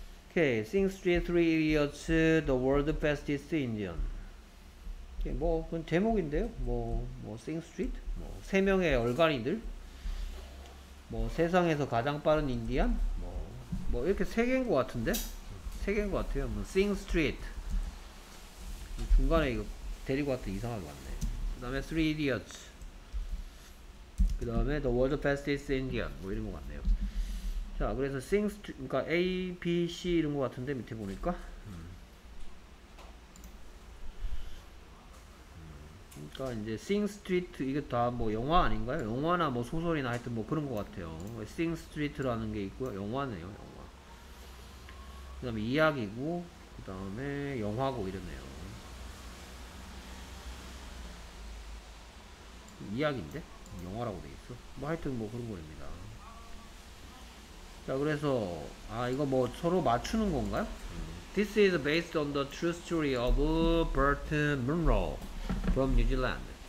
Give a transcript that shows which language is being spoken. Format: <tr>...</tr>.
<en>Okay, since G3 idiots, the world fastest Indian.</en> <ko>이게 뭐, 그건 제목인데요. Sing Street? 뭐, 세 명의 얼간이들? 뭐, 세상에서 가장 빠른 인디언? 뭐, 이렇게 세 개인 것 같은데? 세 개인 것 같아요. 뭐, Sing Street. 중간에 이거 데리고 왔더니 이상하게 왔네. 그 다음에 3 idiots. 그 다음에 the world fastest Indian. 뭐, 이런 것 같네요. 자, 그래서 Sing Street, 그러니까 A, B, C 이런 것 같은데, 밑에 보니까. 그니까 이제 Sing Street 이게 다 뭐 영화 아닌가요? 영화나 뭐 소설이나 하여튼 뭐 그런 것 같아요. Sing Street라는 게 있고요. 영화네요, 영화. 그 다음에 이야기고 그 다음에 영화고 이러네요. 이야기인데? 영화라고 돼있어. 뭐 하여튼 뭐 그런 거입니다. 자, 그래서 아 이거 뭐 서로 맞추는 건가요?</ko> <en>This is based on the true story of Bert Munro from New Zealand.</en>